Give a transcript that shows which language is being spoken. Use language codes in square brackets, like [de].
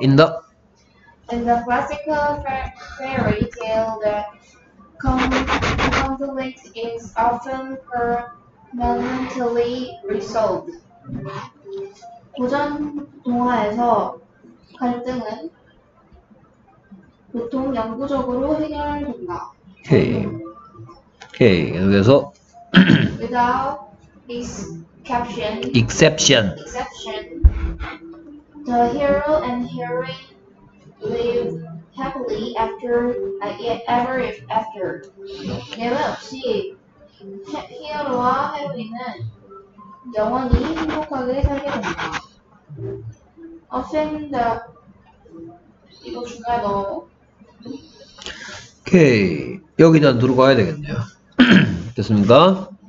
[en] In the classical fairy tale, the conflict is often permanently resolved. [ko] 고전 동화에서 갈등은 보통 영구적으로 해결된다. [en] Okay. Okay. [ko] 그래서 [en] without exception. Exception. Exception. The hero and heroine live happily after ever after. [ko] 예외 없이 히어로와 헤로인은 영원히 행복하게 살게 된다. [en] Often the [ko] 이거 중간에 넣어. 오케이, 여기다 누르고 가야 되겠네요. 됐습니까?